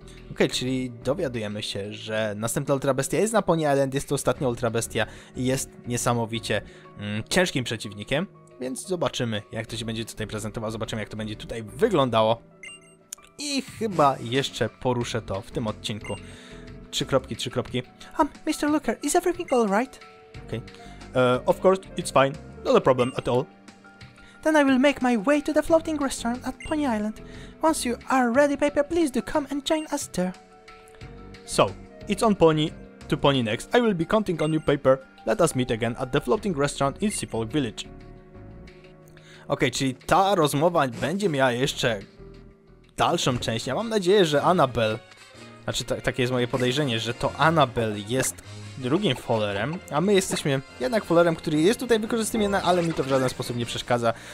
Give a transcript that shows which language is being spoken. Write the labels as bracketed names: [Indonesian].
[Polish] Okej, czyli dowiadujemy się, że następna ultrabestia jest na Pony Island, jest to ostatnia ultrabestia i jest niesamowicie ciężkim przeciwnikiem, więc zobaczymy, jak to się będzie tutaj prezentowało, zobaczymy, jak to będzie tutaj wyglądało. I chyba jeszcze poruszę to w tym odcinku. Trzy kropki. [English] Mr. Looker, is everything alright? Okej. Okay. Of course, it's fine. Not a problem at all. Then I will make my way to the floating restaurant at Pony Island. Once you are ready, Paper, please do come and join us there. So, it's on Pony to Pony next. I will be counting on you, Paper. Let us meet again at the floating restaurant in Seafolk Village. [Polish] Okej, czyli ta rozmowa będzie miała jeszcze dalszą część. Ja mam nadzieję, że Annabelle... Znaczy, takie jest moje podejrzenie, że to Annabelle jest drugim Fowlerem, a my jesteśmy jednak Fowlerem, który jest tutaj wykorzystywany, ale mi to w żaden sposób nie przeszkadza.